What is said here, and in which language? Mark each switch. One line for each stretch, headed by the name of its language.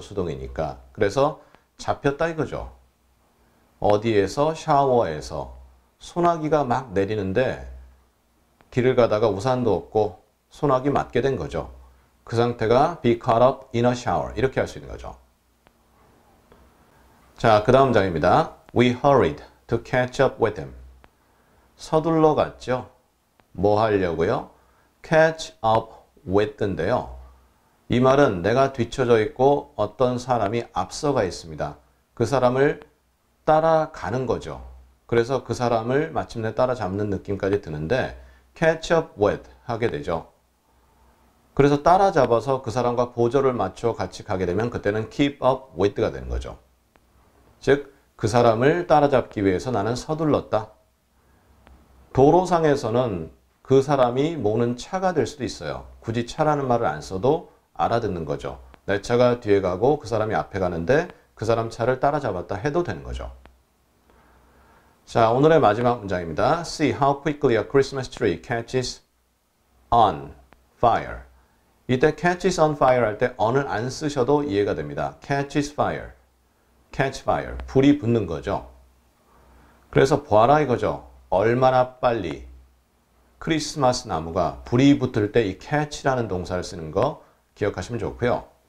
Korean: 수동이니까. 그래서 잡혔다 이거죠. 어디에서? 샤워에서. 소나기가 막 내리는데 길을 가다가 우산도 없고 소나기 맞게 된 거죠. 그 상태가
English: be caught up in a shower
Korean: 이렇게 할 수 있는 거죠. 자, 그 다음 장입니다.
English: We hurried to catch up with him.
Korean: 서둘러 갔죠. 뭐 하려고요? catch up with인데요. 이 말은 내가 뒤쳐져 있고 어떤 사람이 앞서가 있습니다. 그 사람을 따라가는 거죠. 그래서 그 사람을 마침내 따라잡는 느낌까지 드는데 catch up with 하게 되죠. 그래서 따라잡아서 그 사람과 보조를 맞춰 같이 가게 되면 그때는 keep up with가 되는 거죠. 즉 그 사람을 따라잡기 위해서 나는 서둘렀다. 도로상에서는 그 사람이 모는 차가 될 수도 있어요. 굳이 차라는 말을 안 써도 알아듣는 거죠. 내 차가 뒤에 가고 그 사람이 앞에 가는데 그 사람 차를 따라잡았다 해도 되는 거죠. 자, 오늘의 마지막 문장입니다.
English: See how quickly a Christmas tree catches on fire.
Korean: 이때 catches on fire 할 때 on을 안 쓰셔도 이해가 됩니다. catches fire. catch fire. 불이 붙는 거죠. 그래서 보아라 이거죠. 얼마나 빨리 크리스마스 나무가 불이 붙을 때 이 catch라는 동사를 쓰는 거 기억하시면 좋고요.